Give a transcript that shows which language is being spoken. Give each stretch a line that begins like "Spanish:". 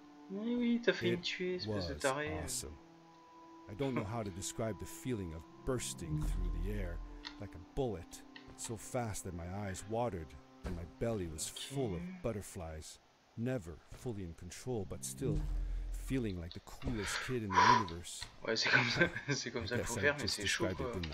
French: Oui, t'as failli me tuer, espèce de taré.
English: Awesome. I don't know how to describe the feeling of bursting through the air like a bullet, so fast that my eyes watered and my belly was full of butterflies, never fully in control but still feeling like the coolest kid in the universe.
French: Ouais, c'est comme ça, c'est comme ça qu'il faut faire, mais c'est chaud quoi.